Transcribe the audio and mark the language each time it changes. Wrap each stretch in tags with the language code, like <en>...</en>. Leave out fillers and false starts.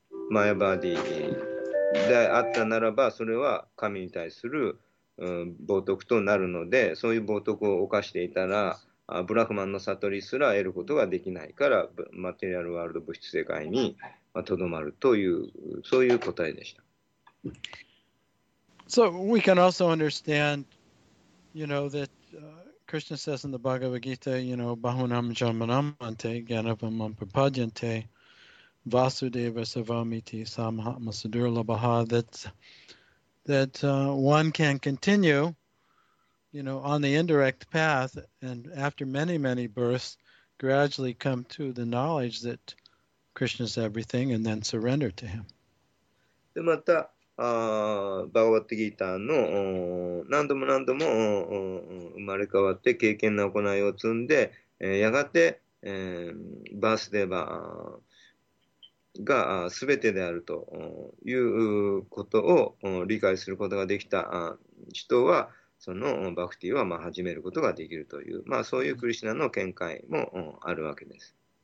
<ja>マヤバーディであったならば、それは神に対する、冒涜となるので、そういう冒涜を犯していたら、ブラフマンの悟りすら得ることができないから、マテリアルワールド物質世界にとどまるという、そういう答えでした。</ja> <en>So we can also understand, you know, that Krishna says in the Bhagavad Gita, you know,</en> <sa>Bahunam Jamanam Ante Ganavam Ampapadyante Vasudeva Savamiti Samahatma Sudurlabaha,</sa> <en>that one can continue, you know, on the indirect path and after many, many births gradually come to the knowledge that Krishna is everything and then surrender to him. Then,</en> <ja>またバガバットギーターのー何度も何度も生まれ変わって敬虔な行いを積んで、やがて、バースデーバーが全てであるということを理解することができた人はそのバクティは、まあ、始めることができるという、まあ、そういうクリシナの見解もあるわけです。</ja>